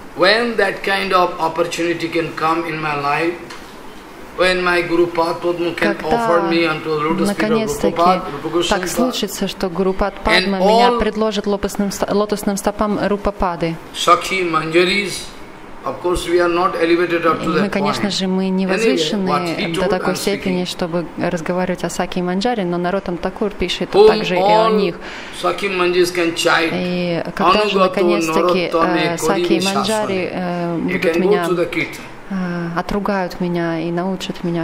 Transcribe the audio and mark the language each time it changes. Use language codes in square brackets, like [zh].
[en] When that kind of opportunity can come in my life, when my Guru Padma can offer me unto the lotus feet of Rupapada, [ru] так случится, что Гуру Пад Падма меня предложит лотосным стопам Рупапады. [en] Sakhi Manjaris, of course, we are not elevated up to that point. [ru] Мы, конечно же, мы не возвышены до такой степени, чтобы разговаривать о Сакхи Манджаре, но Наротам Такур пишет также и о них. [en] Sakhi Manjaris can chide. [ru] И когда же наконец-таки Сакхи Манджари будут меня отругают меня и научат меня